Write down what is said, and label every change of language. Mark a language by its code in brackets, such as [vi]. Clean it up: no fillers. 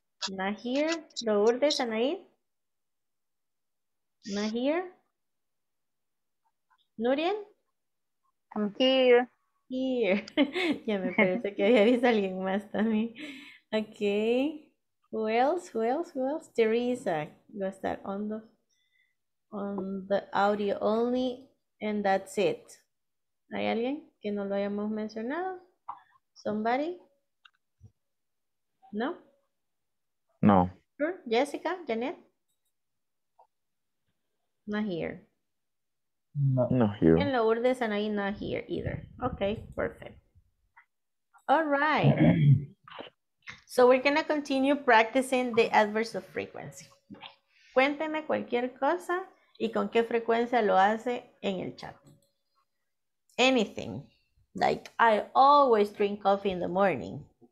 [en] Not here. Lourdes, Anaí. Not here. Nurien. I'm here. Here. [es] Ya me parece que había visto a alguien más también. [en] Okay. Who else? Who else? Who else? Teresa. [es] Va a estar [en] on the audio only and that's it. [es] ¿Hay alguien que no lo hayamos mencionado? Somebody? No? [en] No. Sure. Jessica? Janet? Not here. No, not here. And Lourdes and I not here either. Okay, perfect. All right. So we're going to continue practicing the adverbs of frequency. [es] Cuénteme cualquier cosa y con qué frecuencia lo hace en el chat. [en] Anything. Like, I always drink coffee in the morning.